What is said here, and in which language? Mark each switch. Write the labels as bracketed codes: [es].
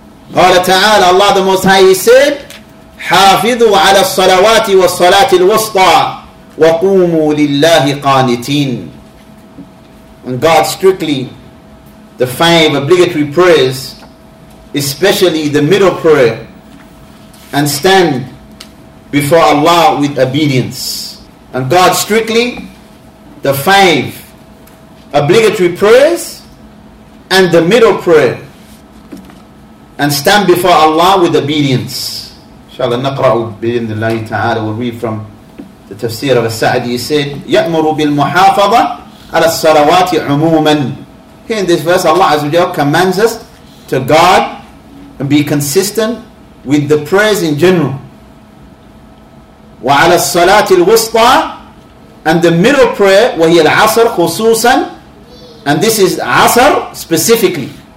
[en] Qala ta'ala, Allah the Most High, He said, [ar] حَافِذُوا عَلَى الصَّلَوَاتِ وَالصَّلَاةِ الْوَسْطَى وَقُومُوا لِلَّهِ قَانِتِينَ. [en] And God strictly, the five obligatory prayers, especially the middle prayer, and stand before Allah with obedience. And God strictly, the five obligatory prayers and the middle prayer, and stand before Allah with obedience. Inshallah, naqra'u bi'idhnillahi ta'ala, we'll read from the tafsir of As-Sa'di. He said, [ar] يَأْمُرُ بِالْمُحَافَظَةِ عَلَى الصَّلَوَاتِ عُمُومًا. [en] Here in this verse, Allah Azza wa Jalla commands us to guard and be consistent with the prayers in general. [ar] وَعَلَى الصَّلَاةِ الْوُسْطَى, [en] and the middle prayer, [ar] وَهِيَ الْعَصَرِ خُصُوصًا, [en] and this is Asr specifically.